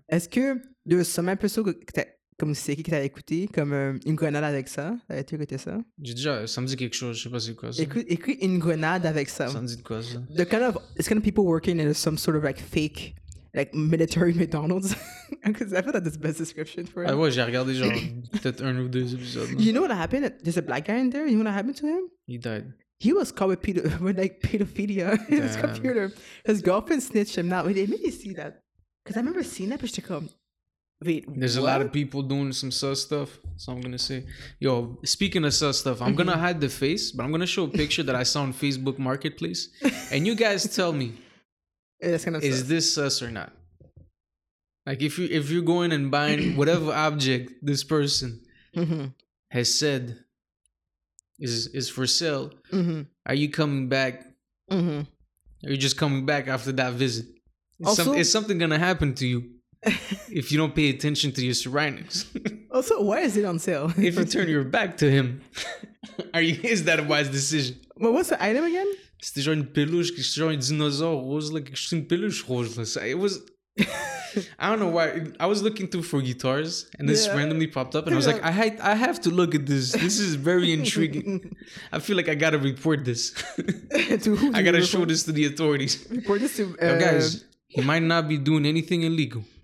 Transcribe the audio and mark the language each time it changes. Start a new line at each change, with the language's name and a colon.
French: Est-ce que
English: there was some episode
French: que t'as, comme c'est qui t'as écouté, comme une grenade avec ça? T'as-tu écouté ça? J'ai déjà, ça me dit quelque chose, je sais pas c'est quoi ça. Écoute une grenade avec ça. Ça me dit quoi ça?
English: The kind of, it's kind of people working in some sort of like fake, like military McDonald's. Because I thought that's the best description for it.
French: Ah ouais, j'ai regardé genre peut-être un ou deux épisodes.
English: You know what happened? There's a black guy in there. You know what happened to him? He died. He was caught with pedophilia in his computer. His girlfriend snitched him out. It made me see that. Because I remember seeing that, but she's like, wait, there's what? A lot of people doing some sus stuff. So I'm going to say. Yo, speaking of sus stuff, I'm going to hide the face, but I'm going to show a picture that I saw on Facebook Marketplace. And you guys tell me, that's kind of is sus. This sus or not? Like, if you're going and buying whatever object this person has said is for sale, are you coming back? Are you just coming back after that visit? Is something gonna happen to you if you don't pay attention to your surroundings? Also, why is it on sale? If you turn your back to him, is that a wise decision? But what's the item again?
French: C'était genre une peluche, c'était genre un dinosaure rose, là, quelque chose, une peluche rose.
English: Là. So it was... I don't know why. I was looking through for guitars and this randomly popped up and I was like, I have to look at this. This is very intriguing. I feel like I gotta report this. To who? I gotta show this to the authorities. Report this to... Now guys, he might not be doing anything illegal.